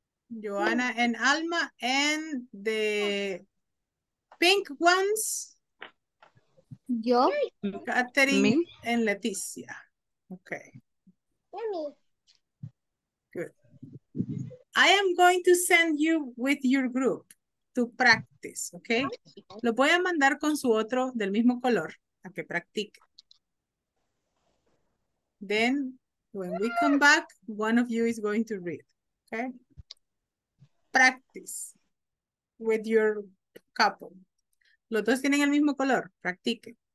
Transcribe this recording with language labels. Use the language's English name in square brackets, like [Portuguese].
[English] Joanna and Alma. And the pink ones. Yo. Catherine and Leticia. Okay. Good. I am going to send you with your group to practice, okay? [Spanish] Lo voy a mandar con su otro del mismo color a que practique. [English] Then, when we come back, one of you is going to read, okay? Practice with your couple. [Spanish] Los dos tienen el mismo color, practique.